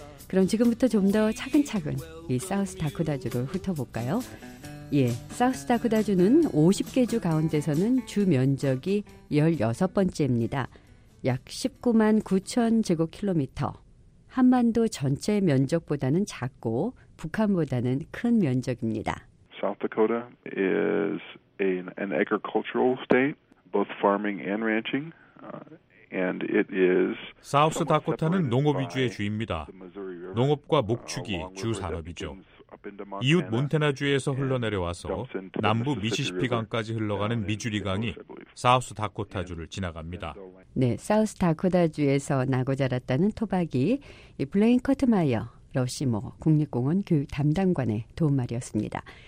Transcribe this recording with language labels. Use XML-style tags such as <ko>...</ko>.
<ko>그럼 지금부터 좀 더 차근차근 이 사우스 다코다주를 훑어볼까요? 예, 사우스 다코다주는 50개 주 가운데서는 주 면적이 16번째입니다. 약 19만 9천 제곱킬로미터. 한반도 전체 면적보다는 작고 북한보다는 큰 면적입니다.</ko> <en>South Dakota is an agricultural state, both farming and ranching. And it is</en> <ko>사우스 다코타는 농업 위주의 주입니다. 농업과 목축이 주 산업이죠. 이웃 몬태나주에서 흘러내려와서 남부 미시시피강까지 흘러가는 미주리강이 사우스 다코타주를 지나갑니다. 네, 사우스 다코타주에서 나고 자랐다는 토박이 블레인 커트마이어 러시모 국립공원 교육 담당관의 도움말이었습니다.</ko>